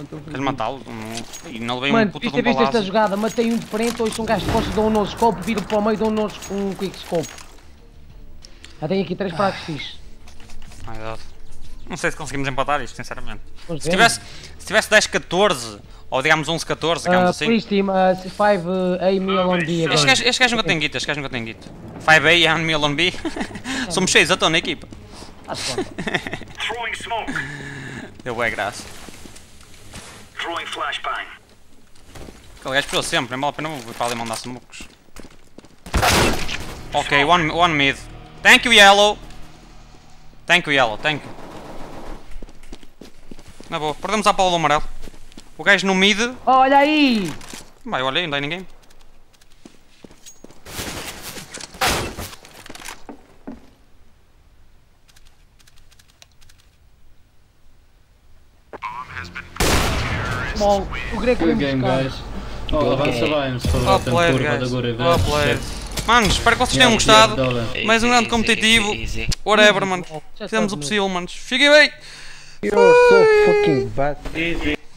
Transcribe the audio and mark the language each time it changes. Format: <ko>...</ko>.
<pt>Quero matá-lo. E não levei mano, um puto de um balazo. Mano, viste esta jogada? Matei um de frente, ouço um gajo de costas, dou um nose scope, viro para o meio, dou um quick scope. Já tenho aqui 3 pratos fixos.</pt> <en>My God.</en> <pt>Não sei se conseguimos empatar isto, sinceramente. Se tivesse 10-14, ou digamos 11-14, digamos assim.</pt> <en>Please team, 5 A</en> <pt>e</pt> <en>me alone B.</en> <pt>Este gajo nunca tem guita, 5 A</pt> <en>and me alone B.</en> <pt>Somos 6 a todo na equipa.</pt> <en>Throwing smoke.</en> <pt>Deu bué graça.</pt> <en>throwing flashbang.</en> <pt>Aquele gajo pegou sempre, não vale a pena vir para ali mandar smokes.</pt> <en>Ok, one mid. Thank you, Yellow! Thank you, Yellow, thank you.</en> <pt>Na boa, perdemos a bola do amarelo. O gajo no mid. Olha aí! Vai, olha aí, não dá ninguém. Small, o Greco vem buscar.</pt> <en>Oh, top players, guys. Top players.</en> <pt>Manos, espero que vocês tenham gostado. Mais um grande competitivo. Whatever, mano. Fizemos o possível, manos. Fiquem bem.</pt> <en>You're so fucking bad. Easy.</en>